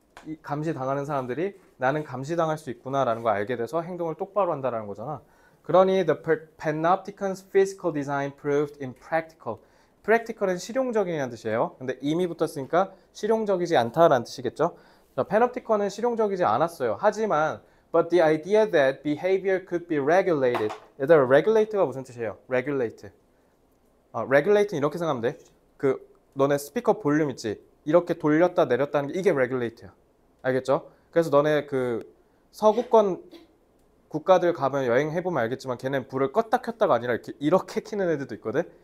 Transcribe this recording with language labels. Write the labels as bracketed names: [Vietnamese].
[Korean] 이 감시당하는 사람들이 나는 감시당할 수 있구나라는 걸 알게 돼서 행동을 똑바로 한다라는 거잖아. 그러니 [English] the panopticon's physical design proved impractical. [Korean] practical은 실용적이라는 뜻이에요. 근데 이미 붙었으니까 실용적이지 않다라는 뜻이겠죠? 자, panopticon은 실용적이지 않았어요. 하지만 [English] but the idea that behavior could be regulated. [Korean] 얘들아, regulate가 무슨 뜻이에요? regulate. 아, regulate는 이렇게 생각하면 돼. 그 너네 스피커 볼륨 있지? 이렇게 돌렸다 내렸다는 게 이게 regulate야. 알겠죠? 그래서 너네 그 서구권 국가들 가면 여행 해보면 알겠지만 걔네는 불을 껐다 켰다가 아니라 이렇게 켜는 애들도 있거든.